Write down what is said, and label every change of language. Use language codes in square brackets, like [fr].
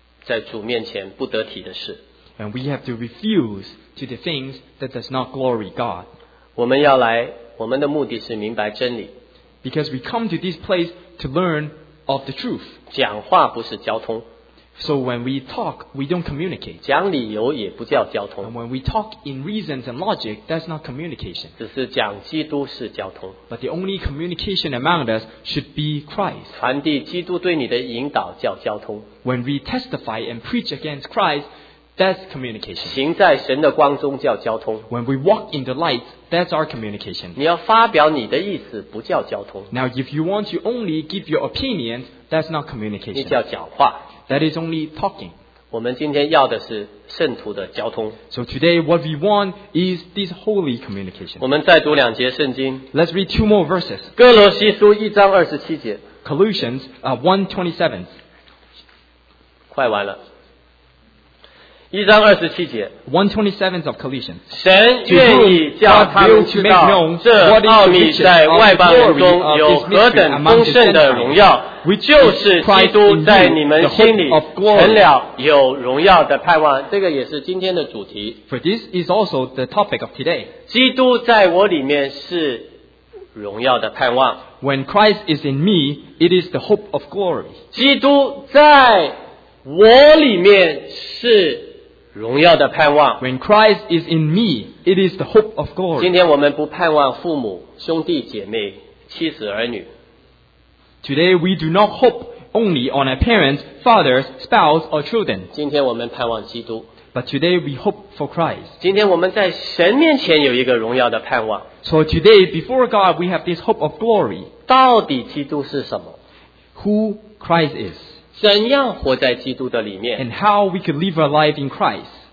[zh] 我们要弃绝在主面前不得体的事。 [en] And we have to refuse to the things that does not glory God. [zh] 我们要来, [en] because we come to this place to learn of the truth. [zh] 讲话不是交通, [en] so when we talk, we don't communicate. [zh] 讲理由也不叫交通, [en] and when we talk in reasons and logic, that's not communication. [zh] 只是讲基督是交通, [en] but the only communication among us should be Christ. [zh] 传递基督对你的引导叫交通, [en] when we testify and preach against Christ, that's communication. [zh] 行在神的光中叫交通。 [en] When we walk in the light, that's our communication. [zh] 你要发表你的意思不叫交通。 [en] Now if you want to only give your opinions, that's not communication. [zh] 你叫讲话。 [en] That is only talking. [zh] 我们今天要的是圣徒的交通。 [en] So today what we want is this holy communication. [zh] 我们再读两节圣经。 [en] Let's read two more verses. [zh] 哥罗西书1章27节。 [en] Colossians 1:27. [zh] 快完了。1章27节, [en] 127 of Colossians. [zh] 神愿意叫他们知道这奥秘在外邦人中有何等丰盛的荣耀, 就是基督在你们心里成了有荣耀的盼望。这个也是今天的主题。 [en] For this is also the topic of today. [zh] 基督在我里面是荣耀的盼望。 [en] When Christ is in me, it is the hope of glory. [zh] 基督在我里面是 荣耀的盼望。 [en] When Christ is in me, it is the hope of glory. [zh] 今天我们不盼望父母、兄弟姐妹、妻子儿女。 [en] Today we do not hope only on our parents, fathers, spouse, or children. [zh] 今天我们盼望基督。 [en] But today we hope for Christ. [zh] 今天我们在神面前有一个荣耀的盼望。 [en] So today before God we have this hope of glory. [zh] 到底基督是什么? [en] Who Christ is? [zh] 怎样活在基督的里面? [en] And how we could live our life in Christ.